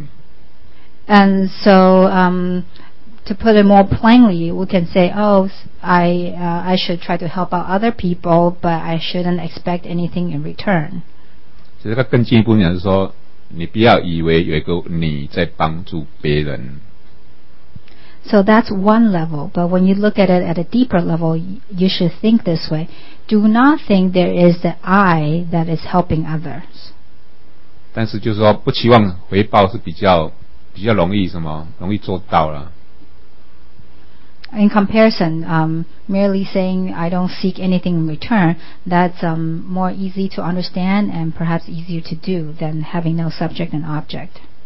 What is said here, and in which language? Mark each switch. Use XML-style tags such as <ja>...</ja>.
<en>to put it more plainly, we can say, I should try to help out other people, but I shouldn't expect anything in return.</en> <zh>其实更进一步讲是说，你不要以为有一个你在帮助别人。</zh> <en>So that's one level, but when you look at it at a deeper level, you should think this way. Do not think there is the I that is helping others.</en> <zh>但是就是说不期望回报是比较容易做到了。</zh> <en>In comparison, merely saying I don't seek anything in return, that's more easy to understand and perhaps easier to do than having no subject and object.</en>